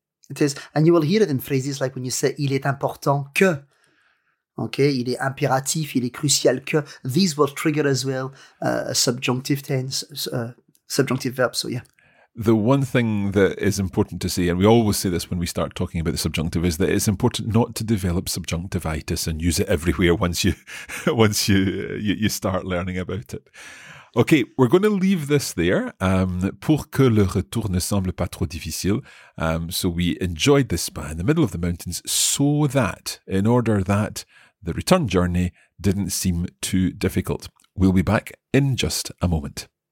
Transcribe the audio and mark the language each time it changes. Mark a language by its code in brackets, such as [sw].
[en] It is, and you will hear it in phrases like when you say [fr] il est important que, [en] okay, [fr] il est impératif, il est crucial que, [en] these will trigger as well a subjunctive verb, so yeah. The one thing that is important to say, and we always say this when we start talking about the subjunctive, is that it's important not to develop subjunctivitis and use it everywhere once you start learning about it. Okay, we're going to leave this there. [fr] Pour que le retour ne semble pas trop difficile. [en] So we enjoyed this spa in the middle of the mountains so that, in order that the return journey didn't seem too difficult. We'll be back in just a moment.